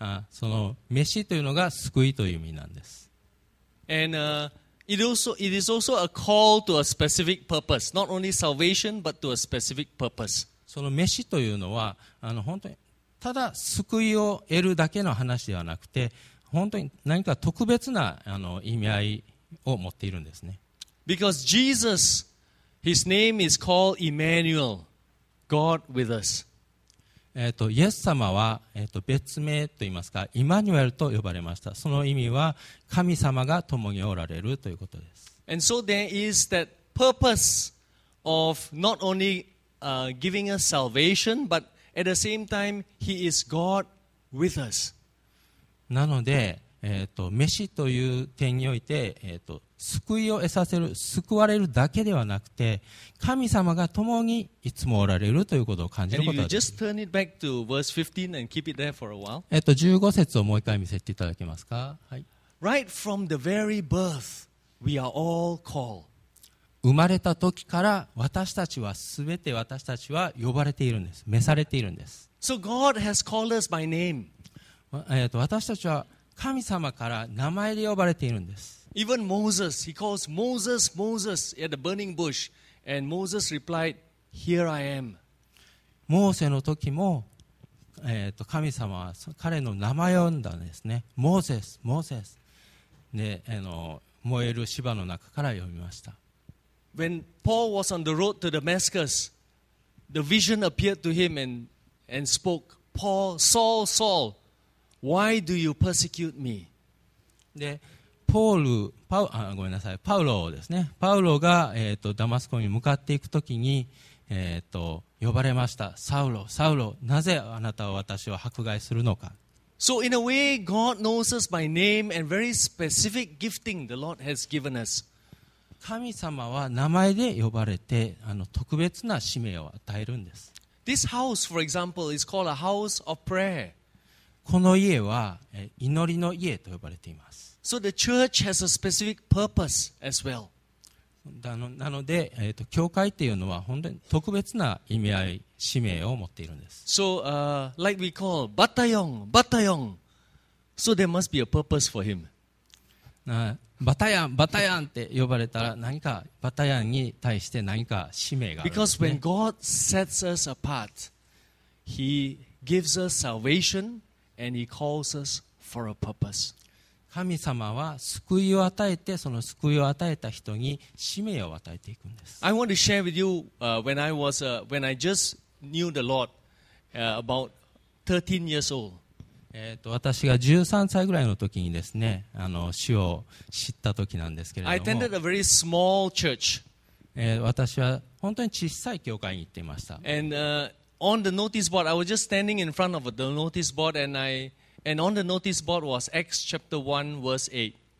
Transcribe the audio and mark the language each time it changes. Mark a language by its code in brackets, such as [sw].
[ja] その召しというのが救いという意味なんです。 [en] And it is also a call to a specific purpose. Not only salvation, but to a specific purpose. [ja] その召しというのは本当にただ救いを得るだけの話ではなくて本当に何か特別な意味合いを持っているんですね。 [en] Because Jesus, his name is called Emmanuel, God with us. [ja] イエス様は、別名といいますかイマニュエルと呼ばれました。その意味は神様が共におられるということです。 [en] And so there is that purpose of not only giving us salvation butAt the same time, He is God with us. [ja] なので、召しという点において、救いを得させる、救われるだけではなくて、神様が共にいつもおられるということを感じることができる。 [en] And you just turn it back to verse 15 and keep it there for a while. [ja] 15節をもう一回見せていただけますか。はい。 [en] Right from the very birth, we are all called. [ja] 生まれた時から私たちは全て私たちは呼ばれているんです。召されているんです。 [en] So God has called us by name. [ja] 私たちは神様から名前で呼ばれているんです。 [en] Even Moses, he calls Moses, Moses at the burning bush. And Moses replied, "Here I am." [ja] モーセの時も、神様は彼の名前を呼んだんですね。モーセス、モーセス。で、燃える芝の中から読みました。 [en] When Paul was on the road to Damascus, the vision appeared to him and spoke, "Paul, Saul, Saul, why do you persecute me?" [ja] で、ポール、パウ、あ、ごめんなさい、パウロですね。パウロが、ダマスコに向かっていくときに、呼ばれました。サウロ、サウロ、なぜあなたは私を迫害するのか。 [en] So in a way, God knows us by name and very specific gifting the Lord has given us. [ja] 神様は名前で呼ばれて、特別な使命を与えるんです。 [en] This house, for example, is called a house of prayer. [ja] この家は、祈りの家と呼ばれています。 [en] So the church has a specific purpose as well. [ja] なので、教会というのは本当に特別な意味合い、使命を持っているんです。 [en] So, like we call, Batayong, Batayong. So there must be a purpose for him. [ja] バタヤン、バタヤンって呼ばれたら何か、バタヤンに対して何か使命があるんですね。 [en] Because when God sets us apart, He gives us salvation and He calls us for a purpose. [ja] 神様は救いを与えて、その救いを与えた人に使命を与えていくんです。 [en] I want to share with you, when I just knew the Lord, about 13 years old. [ja] 私が13歳ぐらいの時にですね、主を知った時なんですけれども、 [en] I attended a very small church. [ja] 私は本当に小さい教会に行っていました。 [en] And, on the notice board, I was just standing in front of the notice board and I,And on the notice board was Acts chapter 1 verse 8.